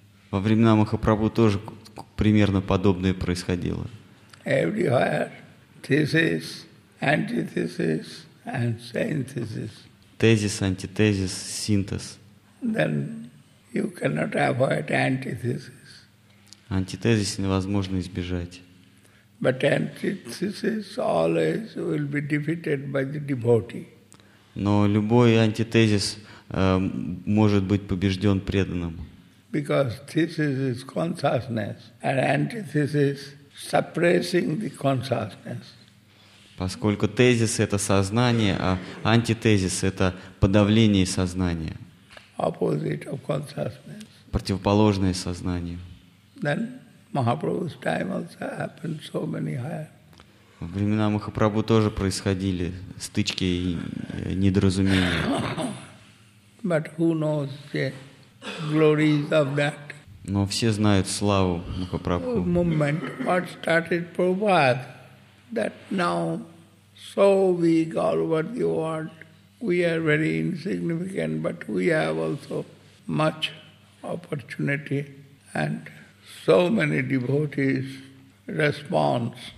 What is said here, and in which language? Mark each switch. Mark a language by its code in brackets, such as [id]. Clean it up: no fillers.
[ru] Во времена Махапрабху тоже примерно подобное происходило. [en] Everywhere thesis, antithesis, and synthesis. [ru] Тезис, антитезис, синтез. [en] Then you cannot avoid antithesis. [ru] Антитезис невозможно избежать. [en] But antithesis always will be defeated by the devotee. [ru] Но любой антитезис может быть побежден преданным. [en] Because thesis is consciousness, and antithesis suppressing the consciousness. [ru] Поскольку тезис — это сознание, а антитезис — это подавление сознания. [en] Opposite of consciousness. [ru] Противоположное сознанию. [en] Then Mahaprabhu's time also happened so many higher. [ru] В времена Махапрабху тоже происходили стычки и недоразумения. [en] But who knows the glories of that? [ru] Но все знают славу Махапрабху. [en] Moment, what started Prabhupada, that now so big all over the world, we are very insignificant, but we have also much opportunity and so many devotees response.